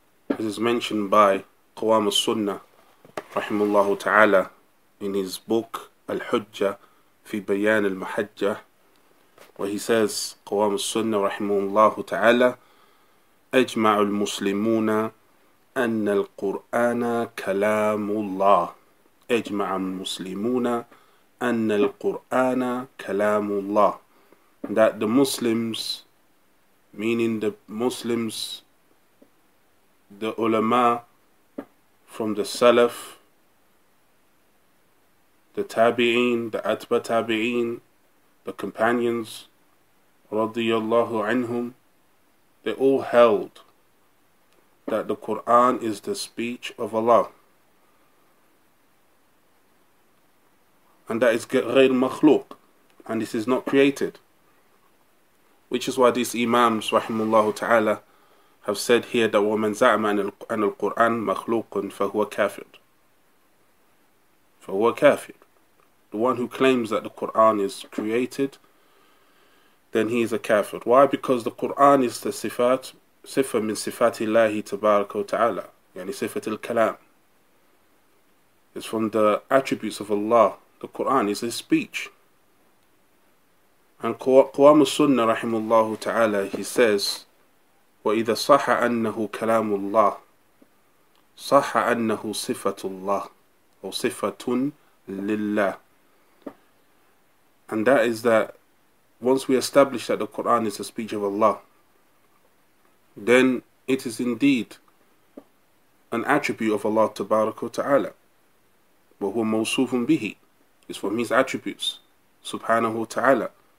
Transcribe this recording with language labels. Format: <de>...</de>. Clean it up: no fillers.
<en>This is mentioned by Qawam al-Sunnah rahimullahu ta'ala in his book Al-Hujjah fi Bayan al-Muhajjah, where he says, Qawam al-Sunnah rahimullahu ta'ala,</en> <ar>أجمع المسلمون أن القرآن كلام الله. أجمع المسلمون أن القرآن كلام الله.</ar> <en>That the Muslims, meaning the Muslims, the ulama from the Salaf, the Tabi'een, the Atba Tabi'een, the companions, radiyallahu anhum, they all held that the Quran is the speech of Allah. And that is</en> <ar>غير مخلوق,</ar> <en>and this is not created. Which is why these imams, rahimullah ta'ala, have said here that</en> <ar>وَمَنْ زَعْمَ أَنَ الْقُرْآنَ مَخْلُوقٌ فَهُوَ كَافِرٌ فَهُوَ كَافِرٌ.</ar> <en>The one who claims that the Qur'an is created, then he is a kafir. Why? Because the Qur'an is the sifat, sifa min sifati Allahi tabaraka wa ta'ala, yani sifat al-kalam. It's from the attributes of Allah. The Qur'an is his speech. And Qawam al-Sunnah rahimullah ta'ala, he says,</en> <ar>وَإِذَا صَحَ أَنَّهُ كَلَامُ اللَّهِ صَحَ أَنَّهُ صِفَةُ اللَّهِ أو صِفَةٌ لِلَّهِ.</ar> <en>And that is that once we establish that the Qur'an is the speech of Allah, then it is indeed an attribute of Allah tabaraka wa ta'ala.</en> <ar>وَهُوَ مَوْصُوفٌ بِهِ.</ar> <en>is from his attributes, subhanahu wa ta'ala.</en>